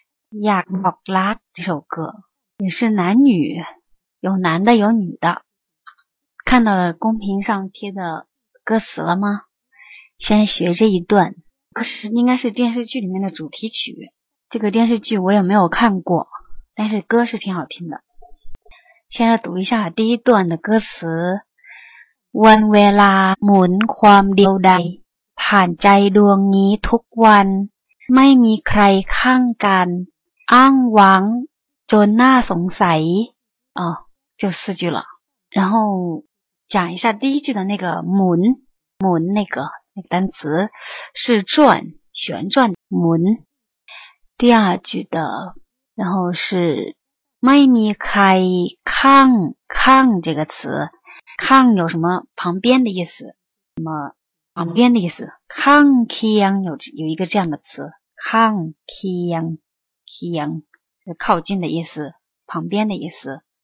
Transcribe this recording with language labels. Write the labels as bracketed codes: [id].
[zh] 《亚莫拉》这首歌也是男女，有男的有女的。看到了公屏上贴的歌词了吗？先学这一段，可是应该是电视剧里面的主题曲。这个电视剧我也没有看过，但是歌是挺好听的。现在读一下第一段的歌词： [th] วันเวลาหมุนความเดียวดายผ่านใจดวงนี้ทุกวันไม่มีใครข้างกันอ้างหวังจนน่าสงสัย [zh] 哦，就四句了。然后讲一下第一句的那个หมุน，หมุน那个单词是转，旋转，หมุน。第二句的，然后是 [th] ไม่มีใครข้างข้าง [zh] 这个词，ข้าง有什么旁边的意思，什么旁边的意思，ข้างเคียง有一个这样的词，ข้างเคียง是靠近的意思，旁边的意思。